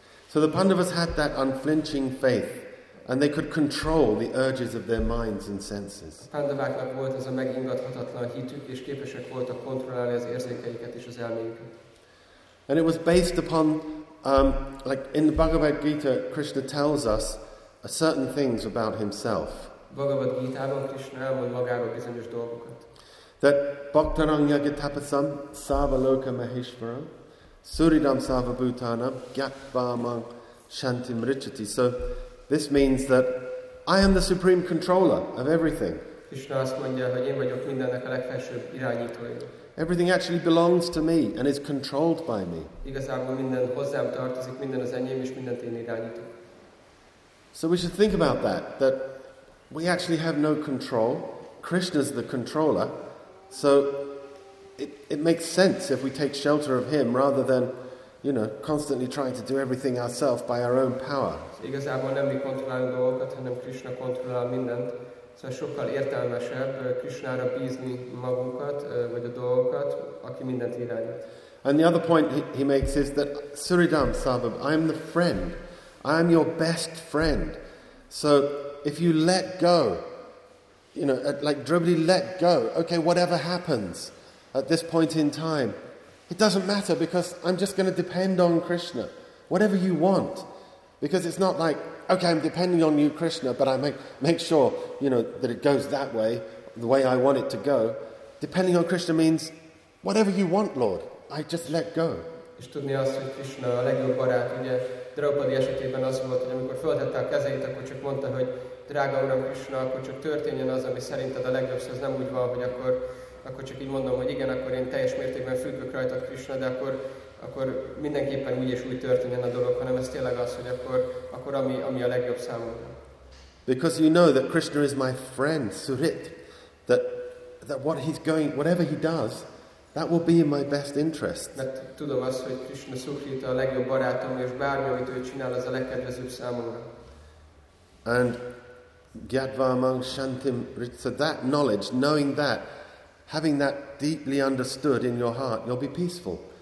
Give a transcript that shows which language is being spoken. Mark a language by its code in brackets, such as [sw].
[en] So the Pandavas had that unflinching faith, and they could control the urges of their minds and senses. [hu] A Pandaváknak volt ez a megingathatatlan hitük, és képesek voltak kontrollálni az érzékeiket és az elméjüket. [en] And it was based upon, like in the Bhagavad Gita, Krishna tells us a certain things about himself. [hu] Bhagavad Gita-ban Krishna elmond magáról bizonyos dolgokat. [sa] That bhaktaranyagya tapasam sarvaloka maheshvaram suridam sarvabhutanam gyatvamam shantim richati. [en] So this means that I am the supreme controller of everything. [hu] Krishna azt mondja, hogy én vagyok mindennek a legfelsőbb irányítója. [en] Everything actually belongs to me and is controlled by me. [hu] Igazából minden hozzám tartozik, minden az enyém, és mindent én irányítok. [en] So we should think about that we actually have no control. Krishna's the controller. So it makes sense if we take shelter of him rather than, you know, constantly trying to do everything ourselves by our own power. [hu] Igazából nem mi kontrollálunk dolgokat, hanem Krishna kontrollál mindent. Szóval sokkal értelmesebb Krishnára bízni magunkat, vagy a dolgokat, aki mindent irányít. [en] And the other point he makes is that Suridam Sarvam, I am the friend. I am your best friend. So if you let go, you know, like Drupadi let go, okay, whatever happens at this point in time, it doesn't matter because I'm just going to depend on Krishna. Whatever you want. Because it's not like, okay, I'm depending on you, Krishna, but I make sure, you know, that it goes that way, the way I want it to go. Depending on Krishna means, whatever you want, Lord, I just let go. [hu] És tudni azt, hogy Krishna a legjobb barát, ugye Draupadi esetében az volt, hogy amikor föltette a kezeit, akkor csak mondta, hogy drága Uram Krishna, akkor csak történjen az, ami szerinted a legjobb, szóval ez nem úgy van, hogy akkor csak így mondom, hogy igen, akkor én teljes mértékben függök rajtad, Krishna, de akkor mindenképpen úgy és úgy történjen a dolog, hanem ez tényleg az, hogy akkor ami a legjobb számomra. [en] Because you know that Krishna is my friend, Surit, that what he's going, whatever he does, that will be in my best interest. [hu] Mert tudom azt, hogy Krishna Sukrita a legjobb barátom, és bármi, amit ő csinál, az a legkedvezőbb számomra. [en] And gyatvamang shantim, so that knowledge, knowing that, having that deeply understood in your heart, you'll be peaceful.